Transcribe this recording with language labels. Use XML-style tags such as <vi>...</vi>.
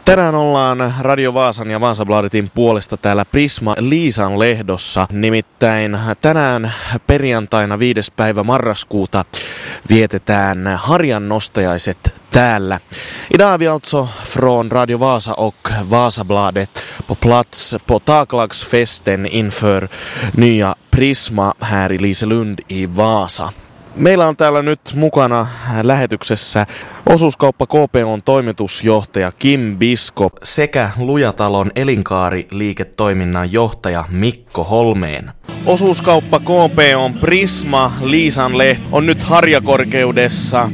<fi>Tänään ollaan Radio Vaasan ja Vaasabladetin puolesta täällä Prisma Liisan lehdossa. Nimittäin tänään perjantaina 5. päivä marraskuuta vietetään harjannostajaiset täällä.</fi> <sv>Idag är vi alltså från Radio Vasa och Vasabladet på plats på taklagsfesten inför nya Prisma här i Liselund i Vaasa.</sv> <fi>Meillä on täällä nyt mukana lähetyksessä osuuskauppa KPO:n toimitusjohtaja Kim Bisko sekä Lujatalon elinkaariliiketoiminnan johtaja Mikko Holmeen. Osuuskauppa KPO:n Prisma Liisan lehto on nyt harjakorkeudessa.</fi>